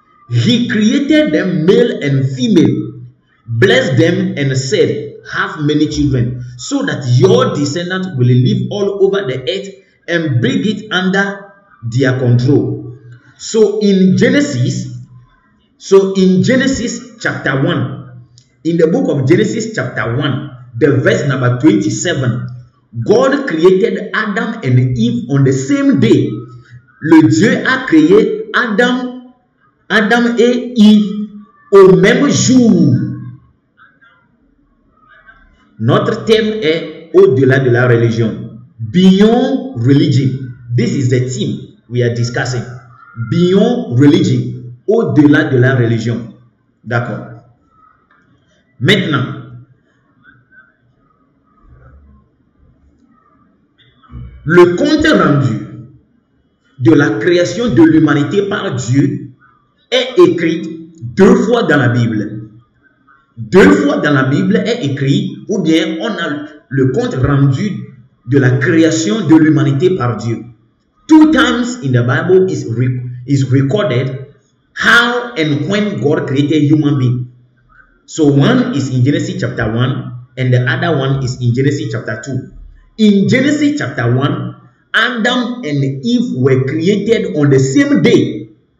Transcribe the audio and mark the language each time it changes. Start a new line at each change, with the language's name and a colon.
English: He created them male and female, blessed them and said, have many children, so that your descendants will live all over the earth and bring it under their control. So in Genesis, chapter 1, in the book of Genesis chapter 1, the verse number 27, God created Adam and Eve on the same day.
French: Le Dieu a créé Adam et Eve au même jour. Notre thème est au-delà de la religion.
English: Beyond religion. This is the theme we are discussing. Beyond religion.
French: Au-delà de la religion. D'accord. Maintenant, le compte rendu de la création de l'humanité par Dieu est écrit deux fois dans la Bible. Deux fois dans la Bible est écrit, ou bien on a le compte rendu de la création de l'humanité par Dieu.
English: Two times in the Bible is recorded how and when God created human being. So one is in Genesis chapter 1 and the other one is in Genesis chapter 2. In Genesis chapter 1, Adam and Eve were created on the same day.